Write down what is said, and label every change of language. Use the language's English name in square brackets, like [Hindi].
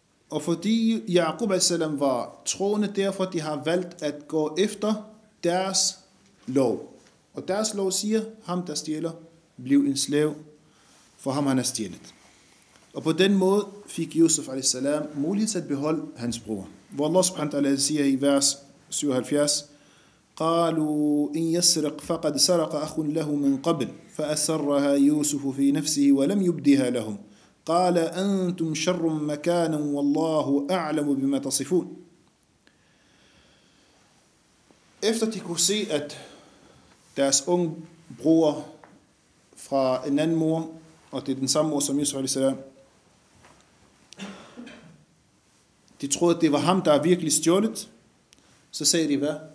[Danish] Og fordi Ya'qub alayhi salam var troende, derfor de har valgt at gå efter deres lov. Og deres lov siger, ham der stjæler, bliv en slav, for ham han er stjælet. Og på den måde fik Yusuf alayhi salam mulighed til at beholde hans bror. Hvor Allah subhanahu wa ta'ala siger i vers 77, [Arabic] قالوا إن يسرق فقد سرق أخ له من قبل فأسرها يوسف في نفسه ولم يبدها لهم قال أنتم شر مكانا والله أعلم بما تصفون. [Danish] Efter de kunne se, at deres ung bror fra en anden mor, og det er den samme mor som Yusuf alayhi salam, de troede, at det var ham, der virkelig stjålet, så sagde de, hvad?